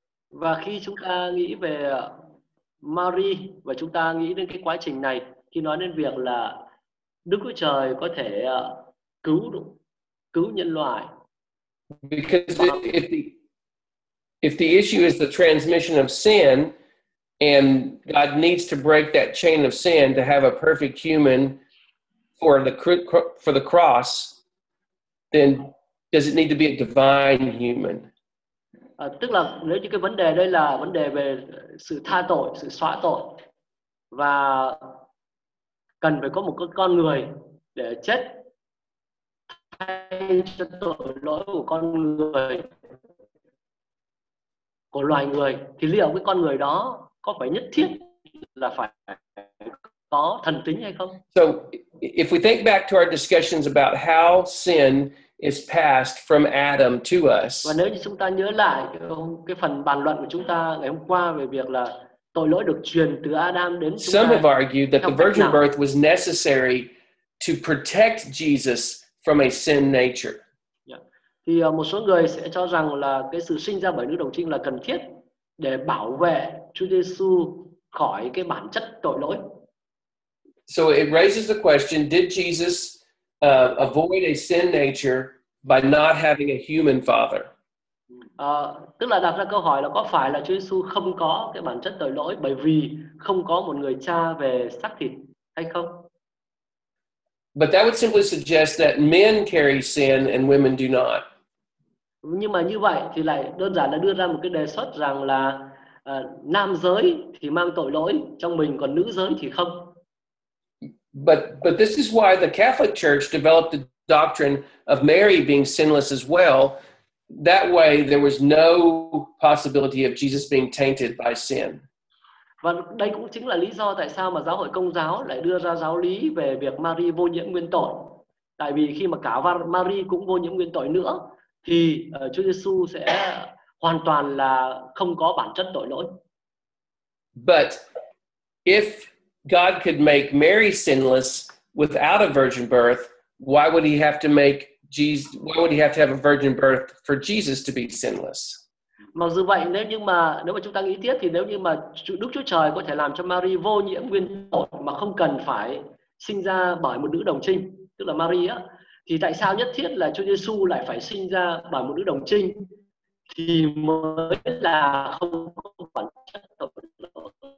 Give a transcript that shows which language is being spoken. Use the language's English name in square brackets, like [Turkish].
[Vietnamese] Và khi chúng ta nghĩ về Mary và chúng ta nghĩ đến cái quá trình này, khi nói đến việc là Đức Chúa Trời có thể cứu nhân loại. [English] Because if the issue is the transmission of sin, and God needs to break that chain of sin to have a perfect human for the cross, then does it need to be a divine human? [Vietnamese] Tức là nếu như cái vấn đề đây là vấn đề về sự tha tội, sự xóa tội, và cần phải có một con người để chết thay cho tội lỗi của con người, của loài người, thì liệu cái con người đó có phải nhất thiết là phải có thần tính hay không? [English] So, if we think back to our discussions about how sin is passed from Adam to us. [Vietnamese] Và nếu như chúng ta nhớ lại cái phần bàn luận của chúng ta ngày hôm qua về việc là tội lỗi được truyền từ Adam đến chúng ta. [English] Some have argued that the virgin birth was necessary to protect Jesus from a sin nature. [Vietnamese] Thì một số người sẽ cho rằng là cái sự sinh ra bởi nữ đồng trinh là cần thiết để bảo vệ Chúa Giêsu khỏi cái bản chất tội lỗi. [English] So it raises the question, did Jesus avoid a sin nature by not having a human father? [Vietnamese] Tức là đặt ra câu hỏi là có phải là Chúa Giêsu không có cái bản chất tội lỗi bởi vì không có một người cha về xác thịt hay không? [English] But that would simply suggest that men carry sin and women do not. [Vietnamese] Nhưng mà như vậy thì lại đơn giản là đưa ra một cái đề xuất rằng là nam giới thì mang tội lỗi trong mình còn nữ giới thì không. [English] But this is why the Catholic Church developed the doctrine of Mary being sinless as well. That way there was no possibility of Jesus being tainted by sin. [Vietnamese] Và đây cũng chính là lý do tại sao mà giáo hội Công giáo lại đưa ra giáo lý về việc Mary vô nhiễm nguyên tội. Tại vì khi mà cả Mary cũng vô nhiễm nguyên tội nữa thì Chúa Giêsu sẽ hoàn toàn là không có bản chất tội lỗi. [English] But if God could make Mary sinless without a virgin birth, why would he have to make Jesus, why would he have to have a virgin birth for Jesus to be sinless? [Vietnamese] Mặc dù vậy, nếu mà chúng ta nghĩ tiếp thì nếu như mà Đức Chúa Trời có thể làm cho Mary vô nhiễm nguyên tội mà không cần phải sinh ra bởi một nữ đồng trinh, tức là Mary á, thì tại sao nhất thiết là Chúa Giêsu lại phải sinh ra bởi một nữ đồng trinh thì mới là không có bản chất tội lỗi?